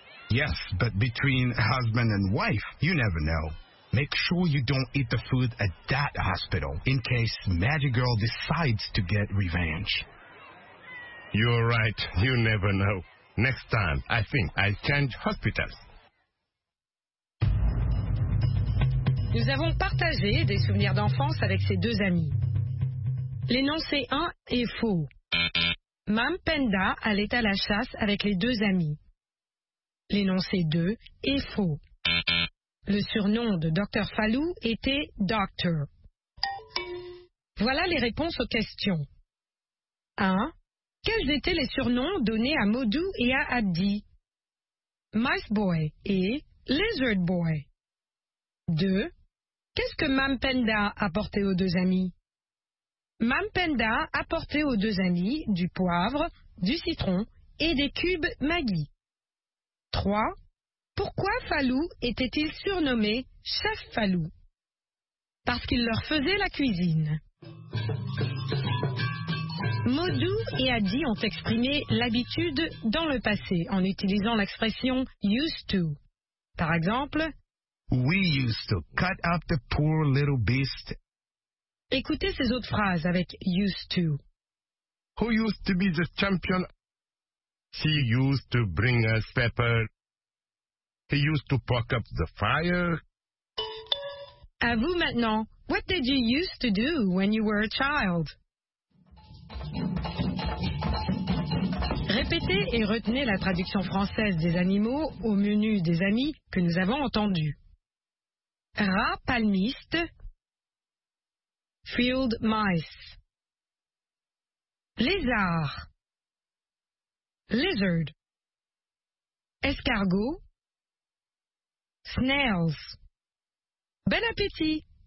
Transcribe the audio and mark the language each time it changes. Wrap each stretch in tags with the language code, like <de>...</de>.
<en>Yes, but between husband and wife, you never know. Make sure you don't eat the food at that hospital, in case Magic Girl decides to get revenge. You're right. You never know. Next time, I think I'll change hospitals.</en> <fr>Nous avons partagé des souvenirs d'enfance avec ces deux amis. L'énoncé 1 est faux. Mam Penda allait à la chasse avec les deux amis. L'énoncé 2 est faux. Le surnom de Dr. Fallou était Doctor. Voilà les réponses aux questions. 1. Quels étaient les surnoms donnés à Modou et à Abdi? Mice Boy et Lizard Boy. 2. Qu'est-ce que Mam Penda apportait aux deux amis? Mam Penda apportait aux deux amis du poivre, du citron et des cubes Maggi. 3. Pourquoi Falou était-il surnommé Chef Falou? Parce qu'il leur faisait la cuisine. Modou et Adi ont exprimé l'habitude dans le passé en utilisant l'expression used to. Par exemple,</fr> <en>we used to cut up the poor little beast.</en> <fr>Écoutez ces autres phrases avec used to.</fr> <en>Who used to be the champion? She used to bring us pepper. He used to poke up the fire.</en> <fr>À vous maintenant.</fr> <en>What did you used to do when you were a child?</en> <fr>Répétez et retenez la traduction française des animaux au menu des amis que nous avons entendu. Rat palmiste, field mice, lézard, lizard, escargot, snails. Bon appétit!</fr>